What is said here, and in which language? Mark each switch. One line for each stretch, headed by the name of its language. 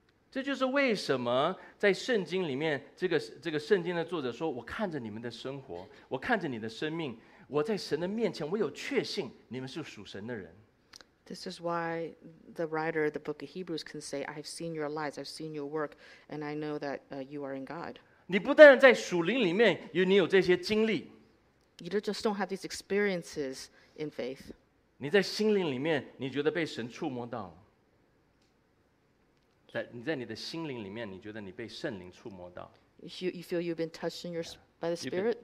Chinese: 这就是为什么在圣经里面，这个圣经的作者说，我看着你们的生活，我看着你的生命，我在神的面前，我有确信你们是属神的人。
English: This is why the writer of the book of Hebrews can say, I've seen your lives, I've seen your work, and I know that you are in God.
Chinese: 你不但在属灵里面有你有这些经历。
English: You just don't have these experiences in faith.
Chinese: 你在心灵里面你觉得被神触摸到。在你的心灵里面你觉得你被圣灵触摸到。
English: You feel you've been touched in by the Spirit?